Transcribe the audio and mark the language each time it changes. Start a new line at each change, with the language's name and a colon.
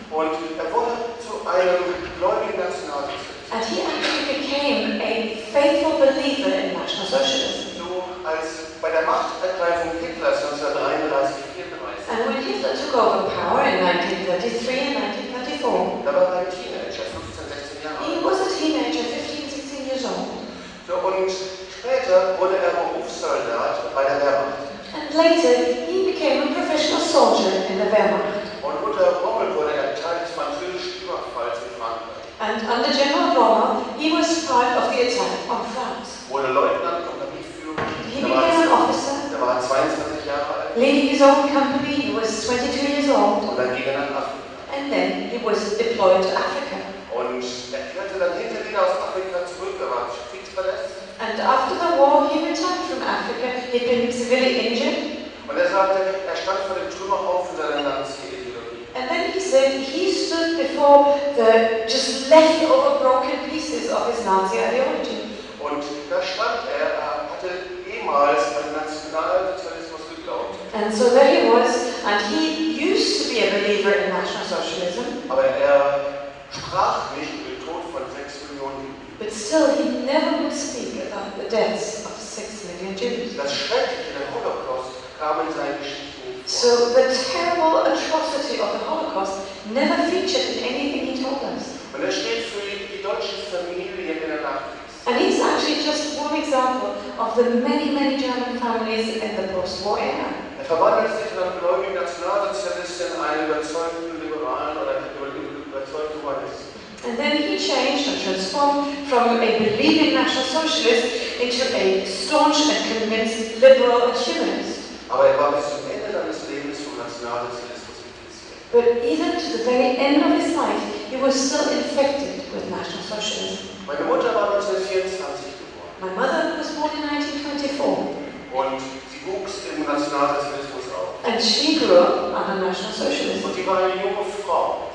German: Und wurde zu einem gläubigen Nationalsozialisten.
English: And he actually became a faithful believer in National Socialism.
German: So, als bei der Machtergreifung Hitlers 1933-34.
English: And when Hitler took over power in 1933 and 1934,
German: da war ein Teenager, 15, 16 Jahre alt.
English: He was a teenager, 15, 16 years old.
German: So, und später wurde er Berufssoldat bei der Wehrmacht.
English: And later, he became a professional soldier in the Wehrmacht.
German: Und unter Rommel wurde er Teil des französischen Überfalls in Frankreich.
English: And under General Rommel, he was part of the attack on France.
German: Wurde Leutnant, Kompanieführer.
English: He became an officer.
German: Der war 22 Jahre alt.
English: Leading his own company, he was 22 years old.
German: Und dann ging er nach Afrika.
English: And then he was deployed to Africa.
German: Und er kehrte dann hinter wieder aus Afrika zurück, er war kriegsverletzt.
English: And after the war, he returned from Africa. He'd been severely injured.
German: Und er sagte, er stand vor dem Trümmerhaufen für seine Nazi.
English: And then he said he stood before the just leftover broken pieces of his Nazi ideology.
German: Und da stand er, hatte ehemals an Nationalsozialismus geglaubt.
English: And so there he was, and he used to be a believer in National Socialism.
German: Aber er sprach nicht über den Tod von 6 Millionen Juden.
English: But still, he never would speak about the deaths of 6 million Jews.
German: Das Schreckliche der Holocaust kam in seine Geschichte.
English: So the terrible atrocity of the Holocaust never featured in anything he told us.
German: Und er steht für die deutsche Familie in der Nachkriegszeit.
English: And he's actually just one example of the many, many German families in the post-war era.
German: Er verwandelt sich von einem gläubigen Nationalsozialisten in einen überzeugten Liberalen oder überzeugten Humanisten.
English: And then he changed and transformed from a believing National Socialist into a staunch and convinced liberal humanist.
German: Aber er war bis zum Ende seines Lebens vom Nationalsozialismus infiziert.
English: But even to the very end of his life, he was still infected with National Socialism.
German: Meine Mutter war 1924 geboren.
English: My mother was born in 1924.
German: Und sie wuchs im Nationalsozialismus auf.
English: And she grew up under National Socialism.
German: Und sie war eine junge Frau.